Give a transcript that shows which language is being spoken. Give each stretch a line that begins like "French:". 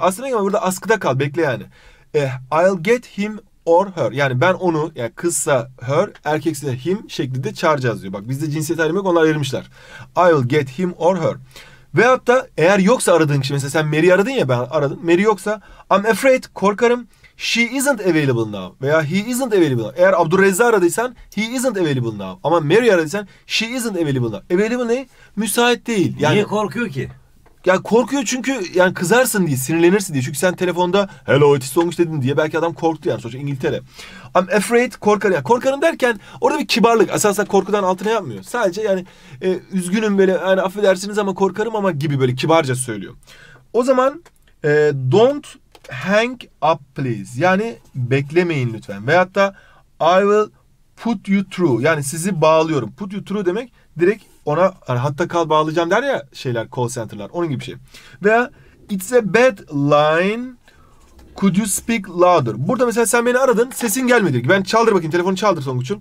Turkish: Aslında ama burada askıda kal. Bekle yani.
English: I'll get him or her.
Turkish: Yani ben onu yani kızsa her, erkekse him şeklinde çağıracağız diyor. Bak bizde cinsiyet ayrımı yok. Onlar ayırmışlar.
English: I'll get him or her.
Turkish: Veyahut da eğer yoksa aradığın kişi. Mesela sen Mary'i aradın ya ben aradım. Mary yoksa
English: I'm afraid
Turkish: korkarım.
English: She isn't available now. Veya he isn't available now.
Turkish: Eğer Abdurrezza aradıysan
English: he isn't available now.
Turkish: Ama Mary aradıysan
English: she isn't available now.
Turkish: Available ne? Müsait değil. Yani, niye korkuyor ki? Ya korkuyor çünkü yani kızarsın diye, sinirlenirsin diye. Çünkü sen telefonda
English: hello it is Tonguç
Turkish: dedin diye belki adam korktu yani sonuçta İngiltere.
English: I'm afraid
Turkish: korkarım. Yani korkarım derken orada bir kibarlık. Aslında korkudan altına yapmıyor. Sadece yani üzgünüm böyle yani affedersiniz ama korkarım ama gibi böyle kibarca söylüyor.
English: O zaman don't hang up please.
Turkish: Yani beklemeyin lütfen. Veyahut da
English: I will put you through.
Turkish: Yani sizi bağlıyorum.
English: Put you through
Turkish: demek direkt ona hani hatta kal bağlayacağım der ya şeyler call center'lar. Onun gibi şey.
English: Veya it's a bad line. Could you speak louder?
Turkish: Burada mesela sen beni aradın. Sesin gelmedi. Ben çaldır bakayım. Telefonu çaldır Songuç'um.